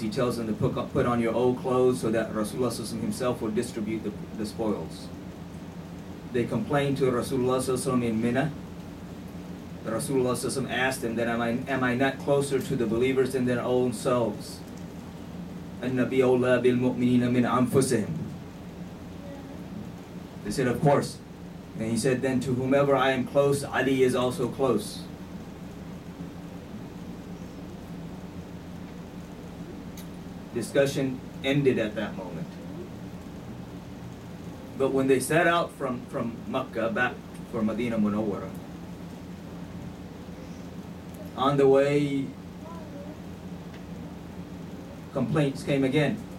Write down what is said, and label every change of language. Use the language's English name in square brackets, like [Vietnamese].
[English] He tells them to put on your old clothes so that Rasulullah himself will distribute the spoils. They complain to Rasulullah in Mina. The Rasulullah asked them, that am I not closer to the believers than their own selves? [Arabic] النبي أولى بالمؤمنين من أنفسهم. [English] They said, of course. And he said, then to whomever I am close, Ali is also close. Discussion ended at that moment. But when they set out from Mecca back for Medina Munawwara, on the way, complaints came again.